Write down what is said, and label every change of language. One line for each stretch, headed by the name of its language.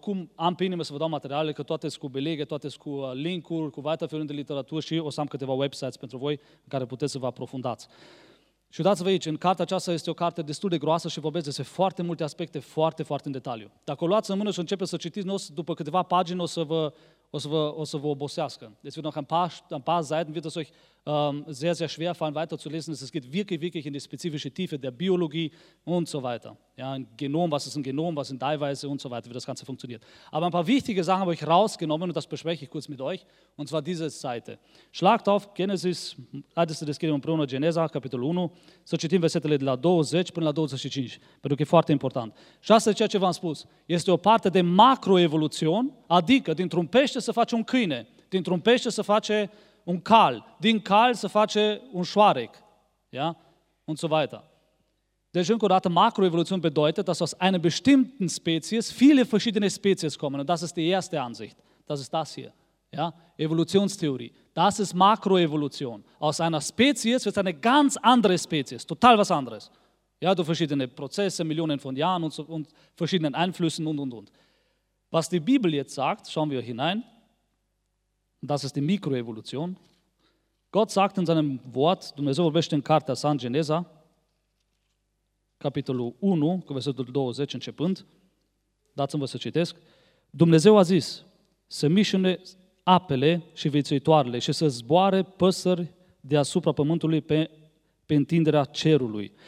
Romanian: Oricum am pe inimă să vă dau materiale, că toate sunt cu belege, toate sunt cu link-uri, cu vaita felul de literatură și o să am câteva websites pentru voi în care puteți să vă aprofundați. Și uitați-vă aici, în cartea aceasta este o carte destul de groasă și vorbesc despre foarte multe aspecte, foarte, foarte în detaliu. Dacă o luați în mână și începeți să citiți, n-o, după câteva pagini o să vă obosească. Deci,
German: wenn noch ein paar Seiten wird es euch sehr, sehr schwer fallen, weiter zu lesen. Es geht wirklich, wirklich in die spezifische Tiefe der Biologie und so weiter. Ja, ein Genom, was ist ein Genom, was sind Eiweiße und so weiter, wie das Ganze funktioniert. Aber ein paar wichtige Sachen habe ich rausgenommen und das bespreche ich kurz mit euch. Und zwar diese Seite. Schlagt auf Genesis,
Romanian: haideți să deschidem împreună Geneza, capitolul 1, să citim versetele de la 20 până la 25, pentru că e foarte important. Și asta e ceea ce v-am spus. Este o parte de macroevoluțion, adică dintr-un pește să face un câine, dintr-un pește să face un cal, din cal să face un șoarec.
German: Ja? Und so weiter.
Romanian: Deci, încă o dată,
German: macroevoluțion bedeutet, dass aus einer bestimmten Spezies viele verschiedene Spezies kommen. Und das ist die erste Ansicht. Das ist das hier. Ja? Evolutionstheorie. Das ist Makroevolution. Aus einer Spezies wird eine ganz andere Spezies. Total was anderes. Ja, durch verschiedene Prozesse, Millionen von Jahren und, so, und verschiedenen Einflüssen und, und. Was die Bibel jetzt sagt, schauen wir hinein. Das ist die Mikroevolution. Gott sagt in seinem Wort,
Romanian: Dumnezeu vorbește în cartea sa, Geneza, capitolul 1, cu versetul 20 începând, dați-mi vă să citesc, Dumnezeu a zis să mișune apele și viețuitoarele și să zboare păsări deasupra pământului pe întinderea cerului.